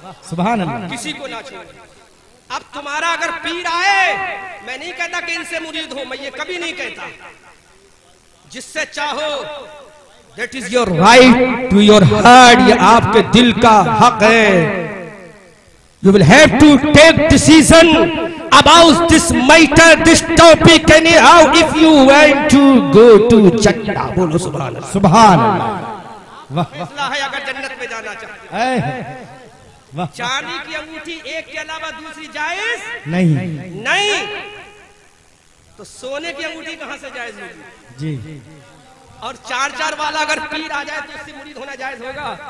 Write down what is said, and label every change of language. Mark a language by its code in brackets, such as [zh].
[hi] सुभान अल्लाह किसी को ना छोड़े। अब तुम्हारा अगर पीर आए मैं नहीं कहता कि इनसे मुरीद हो, मैं ये कभी नहीं कहता, जिससे चाहो [en] that is your right to your heart, [hi] ये आपके दिल का हक है। [en] You will have to take decision about this matter, this topic anyhow if you want to go to Jannah. [hi] बोलो सुभान अल्लाह सुभान अल्लाह। फैसला है अगर जन्नत में जाना चाहे। चांदी की अंगूठी एक के अलावा दूसरी जायज नहीं? नहीं तो सोने की अंगूठी कहां से जायज होगी? जी और चार चार वाला अगर पीर आ जाए तो उससे मुरीद होना जायज होगा?